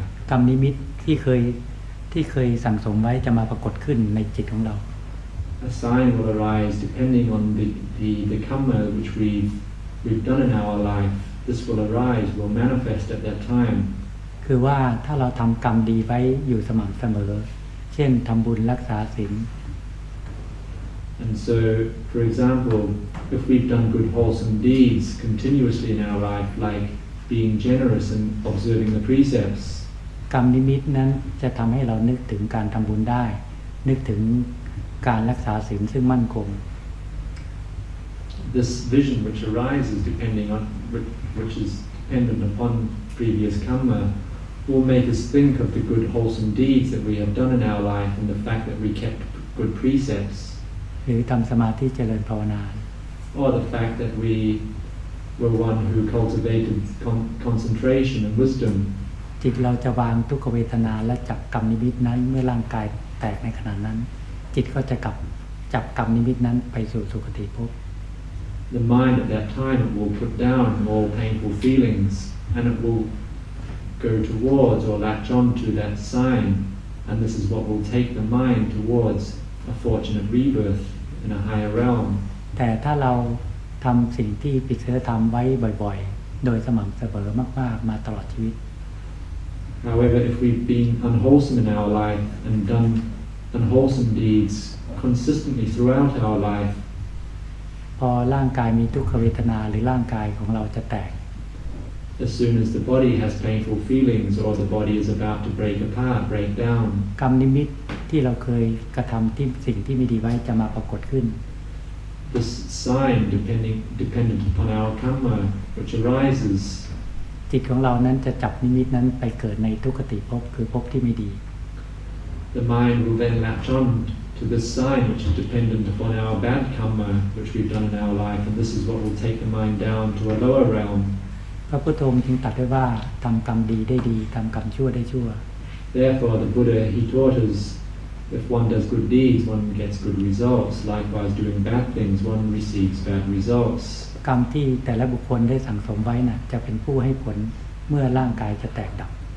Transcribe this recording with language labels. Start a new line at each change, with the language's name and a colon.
Thai: กรรมนิมิตที่เคยสั่งสมไว้จะมาปรากฏขึ้นในจิตของเรา
English: A sign will arise depending on the karma which we've done in our life. This will arise, will manifest at that time.
Thai: คือว่าถ้าเราทำกรรมดีไว้อยู่สม่ำเสมอเช่นทำบุญรักษาศีล
English: And so, for example. If we've done good wholesome deeds continuously in our life, like being generous and observing the precepts,
Thai: ก รมนิมิตนั้นจะทำให้เรานึกถึงการทำบุญได้นึกถึงการรักษาศีลซึ่งมั่นคง
English: This vision which arises depending on which is dependent upon previous karma will make us think of the good wholesome deeds that we have done in our life and the fact that we kept good precepts
Thai: หรือทำสมาธิเจริญภาวนา
English: or the fact that we were one who cultivated concentration and wisdom
Thai: จิตเราจะวางทุกขเวทนาและจับกรรมนิมิตนั้นเมื่อร่างกายแตกในขณะนั้นจิตก็จะกลับจับกรรมนิมิตนั้นไปสู่สุคติภพ
English: The mind at that time will put down all painful feelings and it will go towards or latch on to that sign and this is what will take the mind towards a fortunate rebirth in a higher realm
Thai: แต่ถ้าเราทำสิ่งที่ปิติธรรมไว้บ่อยๆโดยสม่ำเสมอมากๆมาตลอดชีวิต
English: However, if we've been unwholesome in our life and done unwholesome deeds consistently throughout our life,
Thai: พอร่างกายมีทุกขเวทนาหรือร่างกายของเราจะแตก
English: As soon as the body has painful feelings or the body is about to break apart, break down,
Thai: กรรมนิมิตที่เราเคยกระทำที่สิ่งที่ไม่ดีไว้จะมาปรากฏขึ้น
English: This sign dependent upon our karma which arises
Thai: จิตของเรานั้นจะจับนิมิตนั้นไปเกิดในทุกขติภพคือภพที่ไม่ดี
English: The mind will then latch on to this sign which is dependent upon our bad karma which we've done in our life and this is what will take the mind down to a lower realm
Thai: พระพุทธองค์จึงตรัสไว้ว่าทำกรรมดีได้ดีทำกรรมชั่วได้ชั่ว
English: Therefore the Buddha he taught usIf one does good deeds, one gets good results. Likewise, doing bad things, one receives bad results.
Thai: กรรมที่แต่ละบุคคลได้สั่งสมไว้น่ะจะเป็นผู้ให้ผลเมื่อร่างกายจะแตกดับ